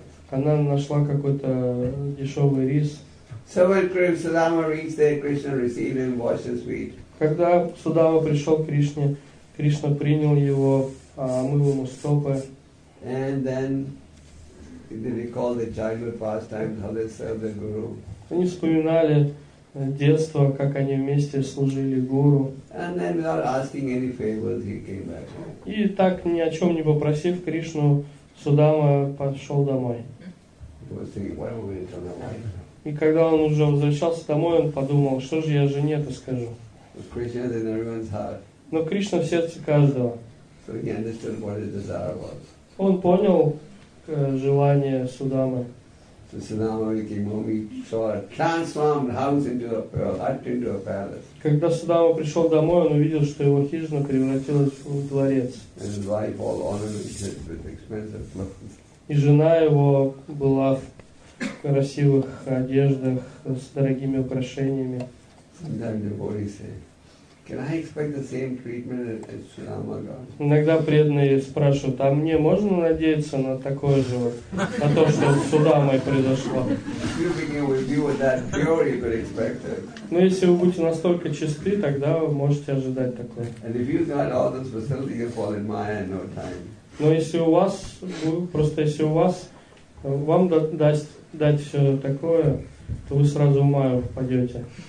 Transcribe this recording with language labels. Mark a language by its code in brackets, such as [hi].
[ru] Она нашла какой-то дешевый рис. [en] So when Sudama reached there, Krishna received him, washed his feet. [ru] Когда Судама пришел к Кришне, Кришна принял его, омыл ему стопы. [en] And then they recall the childhood pastimes, how they served the guru. [ru] Они вспоминали детство, как они вместе служили гуру. [en] And then without asking any favors, he came back. [ru] И так ни о чем не попросив Кришну, Судама пошел домой. [en] He was thinking, why would he tell the wife? [ru] И когда он уже возвращался домой, он подумал: что же я жене-то скажу? [en] Krishna is in everyone's heart. [ru] Но Кришна в сердце каждого. [en] So he understood what his desire was. [ru] Он понял желание Судамы. [en] So Sudama came home, he saw a transformed house into a palace. [ru] Когда Судама пришел домой, он увидел, что его хижина превратилась в дворец. [en] And his wife all honored him with expensive clothes. [ru] И жена его была в красивых одеждах с дорогими украшениями. [en] Sometimes devotees say, can I expect the same treatment as Sudama got? [ru] Иногда преданные спрашивают: а мне можно надеяться на такое же, на то, что с Судамой произошло? [en] You begin with you with that glory, but expect it. [ru] Но если вы будете настолько чисты, тогда вы можете ожидать такое. [en] And if you've got all those facilities, you'll fall in Maya in no time. [ru] Но если у вас вам дать все такое, то вы сразу в маю впадете.